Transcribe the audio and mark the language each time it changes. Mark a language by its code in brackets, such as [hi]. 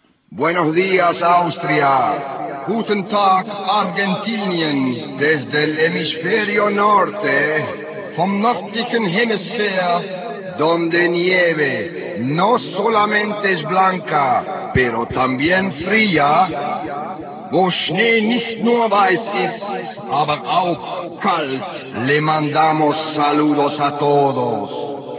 [es] Buenos días, Austria. [de] Guten Tag, Argentinien. [es] Desde el hemisferio norte. [de] Vom nördlichen Hemisphere. [es] Donde nieve. No solamente es blanca, pero también fría. [de] Wo Schnee nicht nur weiß ist, aber auch kalt. [es] Le mandamos saludos a todos.